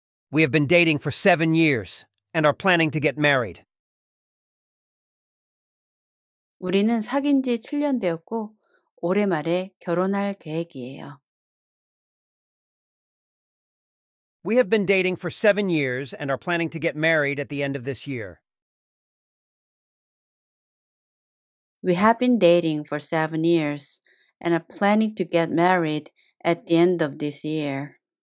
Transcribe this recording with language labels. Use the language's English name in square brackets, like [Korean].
[English] We have been dating for 7 years and are planning to get married. [Korean] 우리는 사귄 지 7년 되었고 올해 말에 결혼할 계획이에요. [English] We have been dating for 7 years and are planning to get married at the end of this year. We have been dating for 7 years and are planning to get married at the end of this year.